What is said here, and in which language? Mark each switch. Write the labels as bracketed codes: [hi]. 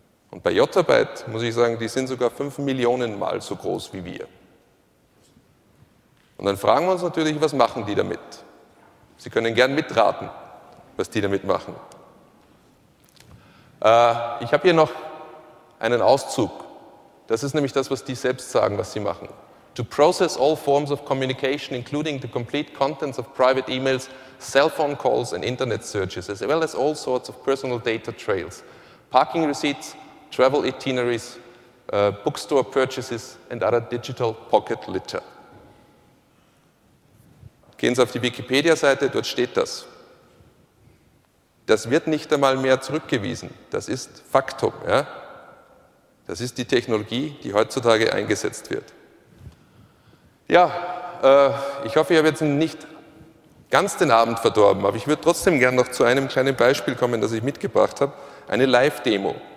[de] Und bei Jottabyte muss ich sagen, die sind sogar 5 Millionen Mal so groß wie wir. Und dann fragen wir uns natürlich, was machen die damit? Sie können gern mitraten, was die damit machen. Ich habe hier noch einen Auszug. Das ist nämlich das, was die selbst sagen, was sie machen. [en] To process all forms of communication, including the complete contents of private emails, cell phone calls and internet searches, as well as all sorts of personal data trails, parking receipts, travel itineraries, bookstore purchases and other digital pocket litter. [de] Gehen Sie auf die Wikipedia-Seite, dort steht das. Das wird nicht einmal mehr zurückgewiesen. Das ist Faktum. Ja? Das ist die Technologie, die heutzutage eingesetzt wird. Ja, ich hoffe, ich habe jetzt nicht ganz den Abend verdorben, aber ich würde trotzdem gerne noch zu einem kleinen Beispiel kommen, das ich mitgebracht habe, eine Live-Demo.